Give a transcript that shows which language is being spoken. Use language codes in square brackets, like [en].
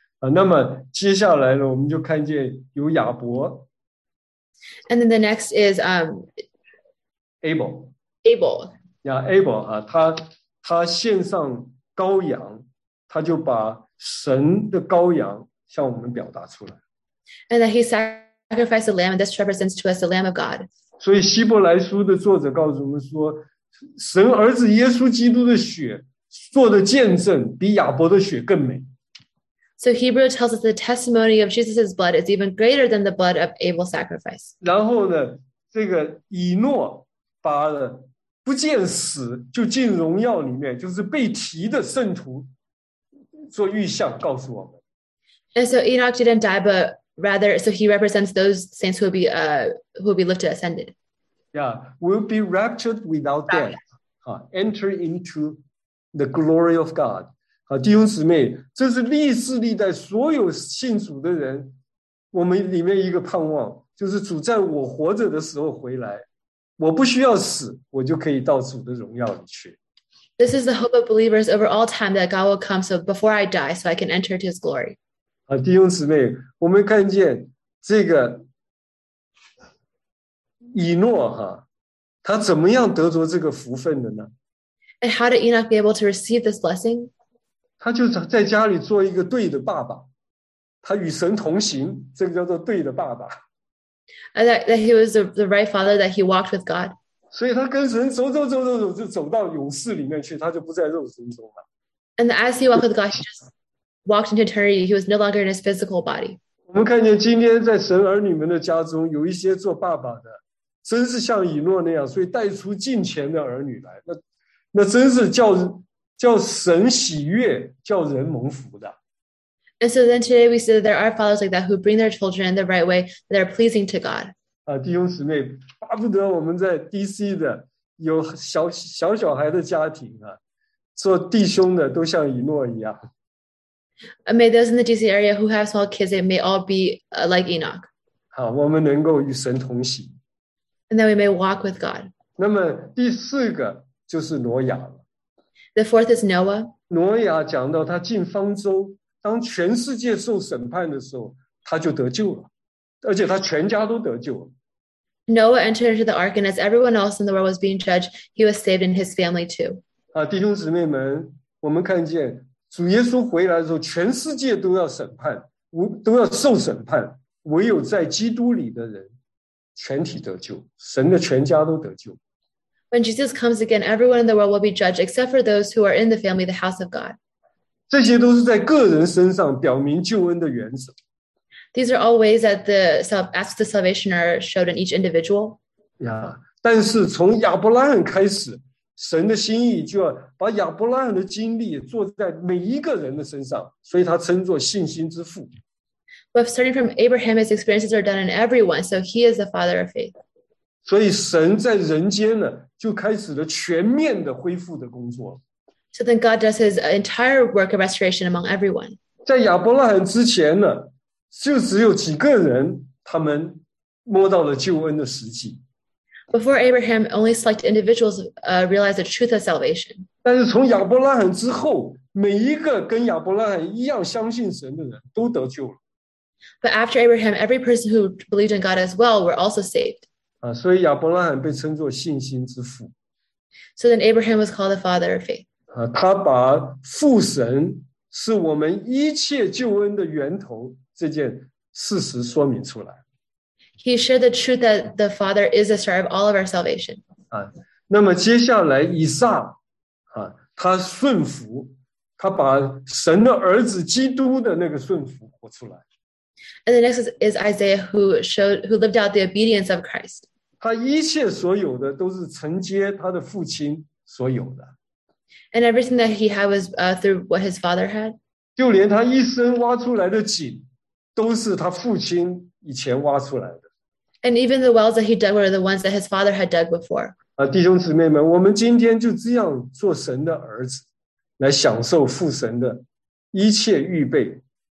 [zh] 那么接下来呢，我们就看见有亚伯。 [en] And then the next is Abel. Abel. [zh] Yeah, Abel 他献上羔羊，他就把神的羔羊向我们表达出来。 [en] And that he sacrificed the lamb, and this represents to us the Lamb of God. [zh] 所以希伯来书的作者告诉我们说，神儿子耶稣基督的血做的见证比亚伯的血更美。 [en] So Hebrew tells us the testimony of Jesus' blood is even greater than the blood of Abel's sacrifice. [zh] 然后呢，这个以诺把不见死就进荣耀里面，就是被提的圣徒做预象告诉我们。 [en] And so Enoch didn't die, but rather, so he represents those saints who will be lifted, ascended. Yeah, will be raptured without death. Enter into the glory of God. [zh] 弟兄姊妹，这是历世历代所有信主的人，我们里面一个盼望，就是主在我活着的时候回来，我不需要死，我就可以到主的荣耀里去。 [en] This is the hope of believers over all time that God will come. So before I die, so I can enter into His glory. [zh] 弟兄姊妹，我们看见这个以诺他怎么样得着这个福分的呢？ [en] And how did Enoch be able to receive this blessing? [zh] 他就在家里做一个对的爸爸，他与神同行，这个叫做对的爸爸。 [en] That he was the right father, that he walked with God. [zh] 所以他跟神走走走走走，就走到永世里面去，他就不在肉身中了。 [en] And as he walked with God, he just walked into eternity. He was no longer in his physical body. [zh] 我们看见今天在神儿女们的家中，有一些做爸爸的，真是像以诺那样，所以带出近前的儿女来，那真是叫神喜悦，叫人蒙福的。 [en] And so then today we see that there are fathers like that who bring their children in the right way that are pleasing to God. [zh] 弟兄姊妹，巴不得我们在 DC 的有小孩的家庭啊，做弟兄的都像以诺一样。 [en] May those in the DC area who have small kids, it may all be like Enoch. [zh] 好，我们能够与神同行。 [en] And that we may walk with God. [zh] 那么第四个就是挪亚了。 [en] The fourth is Noah. [zh] 挪亚讲到他进方舟。当全世界受审判的时候，他就得救了，而且他全家都得救了。 [en] Noah entered into the ark, and as everyone else in the world was being judged, he was saved in his family too. [zh] 弟兄姊妹们，我们看见主耶稣回来的时候，全世界都要审判，都要受审判，唯有在基督里的人全体得救，神的全家都得救。 [en] When Jesus comes again, everyone in the world will be judged, except for those who are in the family, the house of God. [zh] 这些都是在个人身上表明救恩的原则。 [en] These are all ways that the aspects of salvation are showed in each individual. [zh] Yeah, 但是从亚伯拉罕开始，神的心意就要把亚伯拉罕的经历做在每一个人的身上，所以他称作信心之父。 [en] But starting from Abraham, his experiences are done in everyone, so he is the father of faith. [zh] 所以神在人间呢，就开始了全面的恢复的工作。 [en] So then God does his entire work of restoration among everyone. [zh] 在亚伯拉罕之前呢，就只有几个人他们摸到了救恩的实际。 [en] Before Abraham, only select individuals realized the truth of salvation. [zh] 但是从亚伯拉罕之后，每一个跟亚伯拉罕一样相信神的人都得救了。 [en] But after Abraham, every person who believed in God as well were also saved. [zh] 所以亚伯拉罕被称作信心之父。 [en] So then Abraham was called the father of faith. [zh] 他把父神是我们一切救恩的源头这件事实说明出来。 [en] He shared the truth that the Father is the start of all of our salvation. [zh] 那么接下来以撒，他顺服，他把神的儿子基督的那个顺服活出来。 [en] And the next is Isaiah who lived out the obedience of Christ. [zh] 他一切所有的都是承接他的父亲所有的。 [en] And everything that he had was through what his father had. [zh] 就连他一生挖出来的井，都是他父亲以前挖出来的。 [en] And even the wells that he dug were the ones that his father had dug before. [zh] 弟兄姊妹们，我们今天就这样做神的儿子，来享受父神的一切预备。